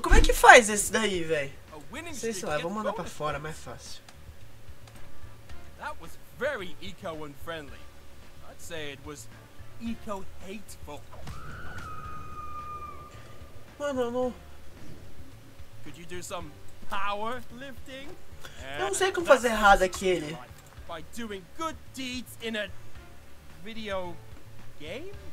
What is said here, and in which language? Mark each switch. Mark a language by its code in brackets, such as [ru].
[pt] Como é que faz isso daí, velho? Não sei se lá, vou mandar pra fora, mais fácil. [en] That was very eco unfriendly. I'd say it was eco hateful. [pt] Mano, não. [en] Could you do some power lifting? [pt] Eu não sei como fazer errado aquele. [en] By doing good deeds in a video game?